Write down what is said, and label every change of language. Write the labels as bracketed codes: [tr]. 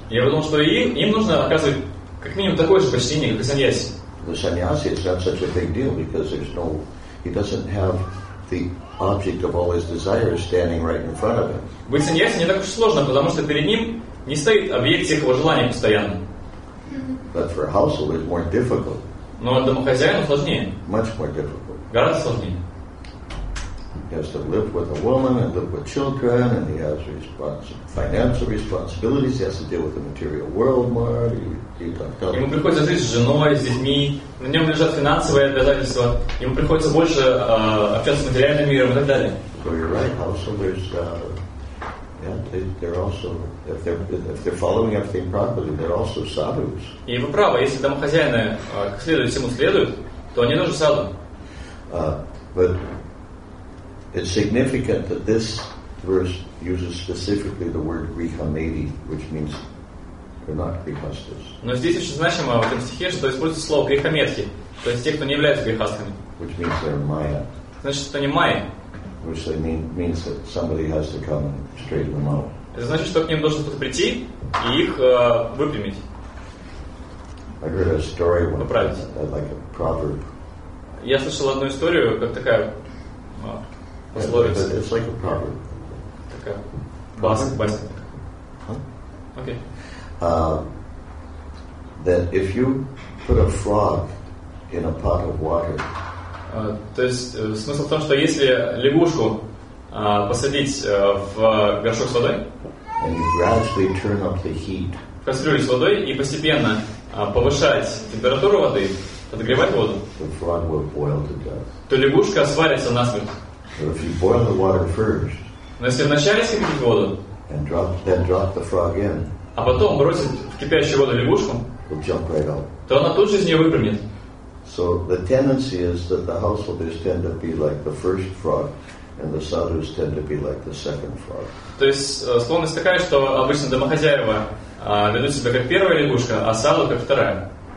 [ru] Я подумал, что им нужно оказывать как минимум такое же почтение, как и саньяси. [en] The sannyasi is not such a big deal because he doesn't have the object of all his desires standing right in front of him. [ru] Быть саньяси не так уж сложно, потому что перед ним не стоит объект всех его желаний постоянно. [en] But for a householder it's more difficult. [ru] Но домохозяину сложнее. [en] Much more difficult. [ru] Гораздо сложнее. [en] He has to live with a woman and live with children, and he has financial responsibilities. He has to deal with the material world more. [ru] Ему приходится жить с женой, с детьми. На нем лежат финансовые обязательства. Ему приходится больше общаться с материальным миром и так далее. [en] So you're right. Also, there's if they're following everything properly, they're also sadhus. [ru] И вы правы. Если домохозяины как следует всему следуют, то они тоже саду. [en] But it's significant that this verse uses specifically the word grihamedi, which means they're not grihastas. [ru] Но здесь очень значимо в этом стихе, что используется слово грихамедхи, то есть те, кто не являются грихастами. [en] Which means they're майя. [ru] Значит, что они майя. [en] Which means that somebody has to come and straighten them out. [ru] Это значит, что к ним должен кто-то прийти и их выпрямить. [en] I heard a story once. [ru] Поправить. [en] Like a proverb. [ru] Я слышал одну историю, как такая. [en] It's like a proverb. That if you put a frog in a pot of water. [ru] То есть смысл в том, что если лягушку посадить в горшок с водой. [en] And you gradually turn up the heat. [ru] В кастрюлю с водой и постепенно повышать температуру воды, подогревать воду. [en] The frog will boil to death. [ru] То лягушка сварится насмерть. [en] But if you boil the water first, [ru] но если вначале скипятить воду, [en] and then drop the frog in, [ru] а потом бросить в кипящую воду лягушку, [en] it'll jump right out. [ru] То она тут же из нее выпрямит. [en] So the tendency is that the householders tend to be like the first frog, and the sadhus tend to be like the second frog. [ru] То есть склонность такая, что обычно домохозяева ведут себя как первая лягушка, а саду как вторая.